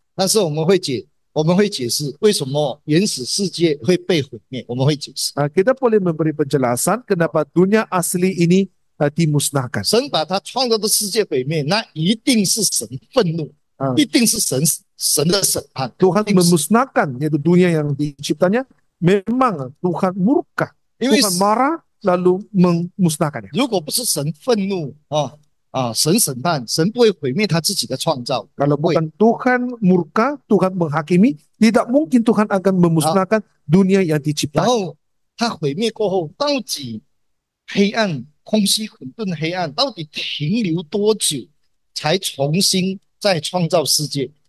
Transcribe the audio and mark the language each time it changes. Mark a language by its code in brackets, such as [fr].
[zh] 但是我们会解释为什么原始世界会被毁灭。我们会解释。 [ms] Kita boleh memberi penjelasan kenapa dunia asli ini dimusnahkan. [zh] 神把他创造的世界毁灭，那一定是神愤怒，一定是神的审判。 [ms] Tuhan memusnahkan yaitu dunia yang diciptanya, memang Tuhan murka, Tuhan marah lalu memusnahkannya. [zh] 如果不是神愤怒啊。神审判，神不会毁灭他自己的创造。 [ms] Kalau bukan Tuhan murka, Tuhan menghakimi, tidak mungkin Tuhan akan memusnahkan dunia yang dicipta. [zh] 然后他毁灭过后，到底黑暗、空虚、混沌、黑暗，到底停留多久才重新再创造世界？